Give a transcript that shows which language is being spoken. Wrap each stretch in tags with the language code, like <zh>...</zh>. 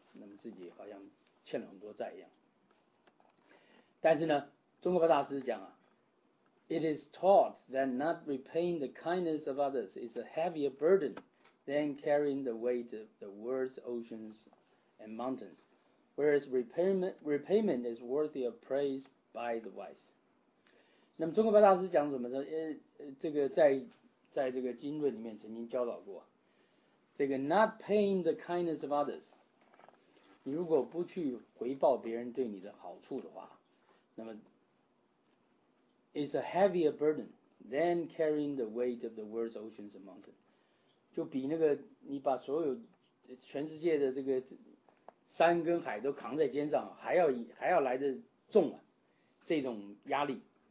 <zh>那么自己好像欠了很多债一样。但是呢，宗喀巴大师讲啊，</zh> <en>It is taught that not repaying the kindness of others is a heavier burden than carrying the weight of the world's oceans and mountains, whereas repayment is worthy of praise by the wise.</en> <zh>那么宗喀巴大师讲什么呢？这个在这个经论里面曾经教导过，这个</zh> <en>not paying the kindness of others，</en> <zh>你如果不去回报别人对你的好处的话，那么</zh> <en>It's a heavier burden than carrying the weight of the world's oceans and mountains，</en> <zh>就比那个你把所有全世界的这个山跟海都扛在肩上还要来得重啊，这种压力。</zh>